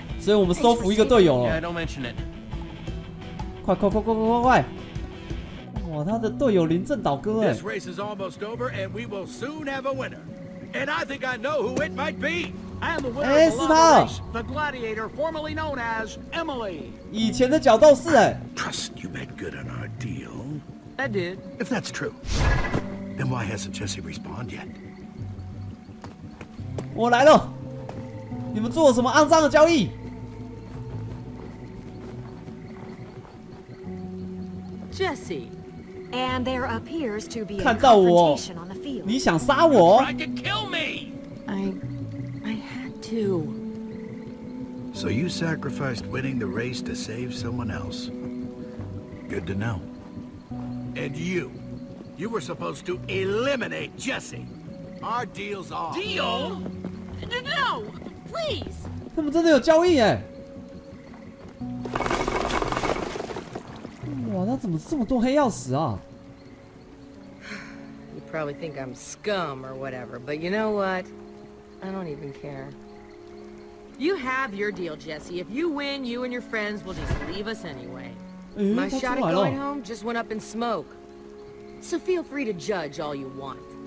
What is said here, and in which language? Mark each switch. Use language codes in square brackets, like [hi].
[zh] 所以我们收服一个队友了。 [en] Yeah, don't mention it. [zh] 快！哇，他的队友临阵倒戈哎。 [en] This race is almost over, and we will soon have a winner. And I think I know who it might be. I am the winner of the race, the gladiator formerly known as Emily. [zh] 以前的角斗士哎。 [en] Trust you made good on our deal. I did. If that's true, then why hasn't Jesse responded yet? [zh] 我来了。你们做了什么肮脏的交易？ [en] Jesse, and there appears to be [zh] 看到我，你想杀我 [en] ？Tried to kill me. I had to. So you sacrificed winning the race to save someone else. Good to know. And you were supposed to eliminate Jesse. Our deal's off. Deal? No. Please. [zh] 他们真的有交易耶！哇，那怎么这么多黑曜石啊 [en] ？You probably think I'm scum or whatever, but you know what? I don't even care. You have your deal, Jesse. If you win, you and your friends will just leave us anyway. My shot at going home just went up in smoke. So feel free to judge all you want.